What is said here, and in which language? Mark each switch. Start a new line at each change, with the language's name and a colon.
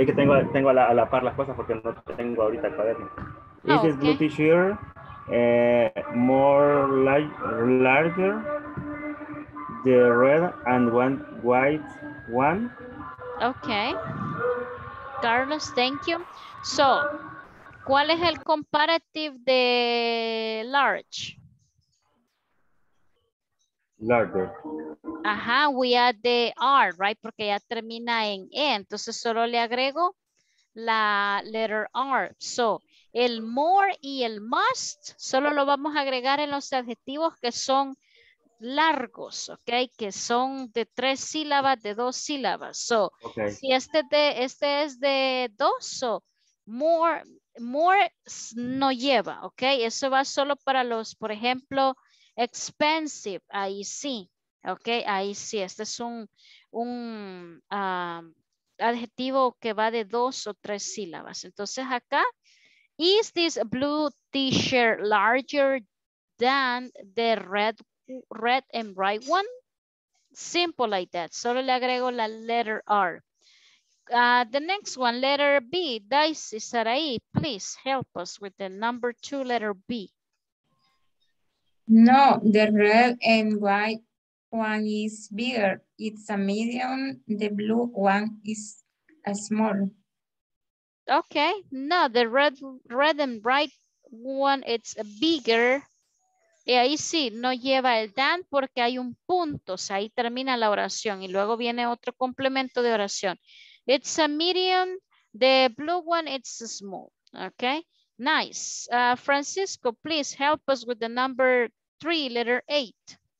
Spanish: Es que tengo a la par las cosas porque no tengo ahorita el cuaderno.
English: Oh, is this okay. Blue t-shirt? More larger, the red and one white one. Okay, Carlos, thank you. So,
Spanish: ¿cuál es el
English: comparative de large? Larger.
Spanish: Ajá,
English: we add the R, right?
Spanish: Porque ya termina en E, entonces solo le agrego la letter R. So, el more y el must solo lo vamos a agregar en los adjetivos que son largos, ¿ok? Que son de tres sílabas, de dos sílabas. So, okay. Si este es de dos, so more no lleva, ¿ok? Eso va solo para los, por ejemplo, expensive, ahí sí, ¿ok? Ahí sí, este es un adjetivo que va de dos o tres sílabas. Entonces acá,
English: is this blue t-shirt larger than the red and bright one? Simple like that.
Spanish: Solo le agrego la
English: letter R. The next one, letter B. Daisy Sarai, please help us with the number two, letter B. No, the red and white one is bigger. It's a medium. The blue one is a small. Okay, no, the red and bright one, it's bigger.
Spanish: Y ahí sí, no lleva el than porque hay un punto. O sea, ahí termina la oración y luego viene otro complemento de oración.
English: It's a medium, the blue one, it's small. Okay, nice. Francisco, please help us with the number three, letter eight.